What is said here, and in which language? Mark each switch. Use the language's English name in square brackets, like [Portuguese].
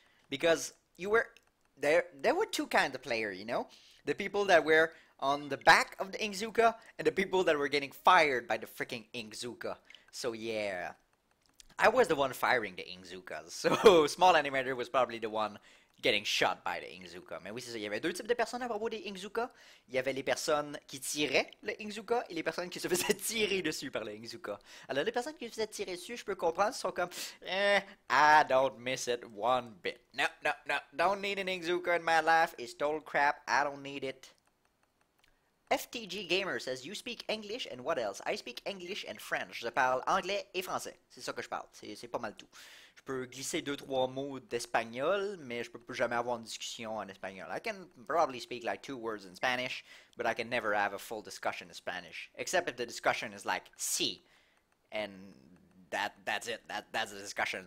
[English] Because there were two kinds of player, you know? The people that were on the back of the Inkzooka and the people that were getting fired by the freaking Inkzooka. So, yeah. I was the one firing the Inkzookas, so Small Animator was probably the one getting shot by the Inkzooka. [French] Mais oui, c'est ça, il y avait deux types de personnes à propos des Inkzookas. Il y avait les personnes qui tiraient le Inkzooka et les personnes qui se faisaient tirer dessus par le Inkzooka. Alors les personnes qui se faisaient tirer dessus, je peux comprendre, sont comme, [English] I don't miss it one bit. No, no, no, don't need an Inkzooka in my life, it's total crap, I don't need it. FTG Gamer says, you speak English and what else? I speak English and French. [French] Je parle anglais et français. C'est ça que je parle. C'est pas mal tout. Je peux glisser 2-3 mots d'espagnol, mais je peux plus jamais avoir une discussion en espagnol. [English] I can probably speak like 2 words in Spanish, but I can never have a full discussion in Spanish. Except if the discussion is like, si. And that's it. That's the discussion.